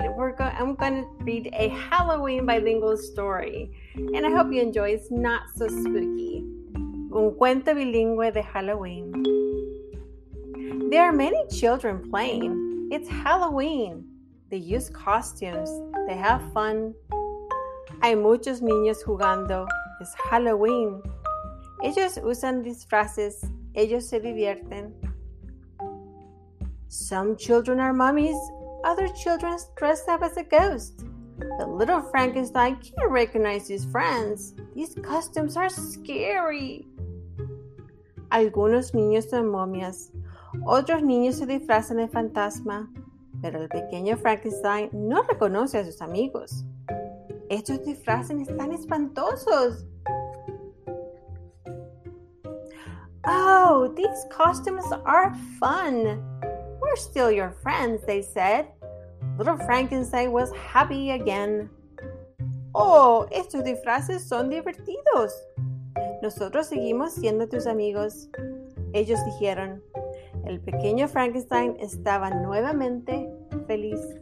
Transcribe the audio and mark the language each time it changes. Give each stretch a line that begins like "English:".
English: I'm going to read a Halloween bilingual story. And I hope you enjoy. It's not so spooky.
Spanish: Un cuento bilingüe de Halloween.
English: There are many children playing. It's Halloween. They use costumes. They have fun.
Spanish: Hay muchos niños jugando.
English: It's Halloween.
Spanish: Ellos usan disfraces. Ellos se divierten.
English: Some children are mummies. Other children dress up as a ghost. But little Frankenstein can't recognize his friends. These costumes are scary.
Spanish: Algunos niños son momias. Otros niños se disfrazan de fantasma. Pero el pequeño Frankenstein no reconoce a sus amigos. Estos disfraces están espantosos.
English: Oh, these costumes are fun. We're still your friends, they said. Little Frankenstein was happy again.
Spanish: Oh, estos disfraces son divertidos. Nosotros seguimos siendo tus amigos. Ellos dijeron. El pequeño Frankenstein estaba nuevamente feliz.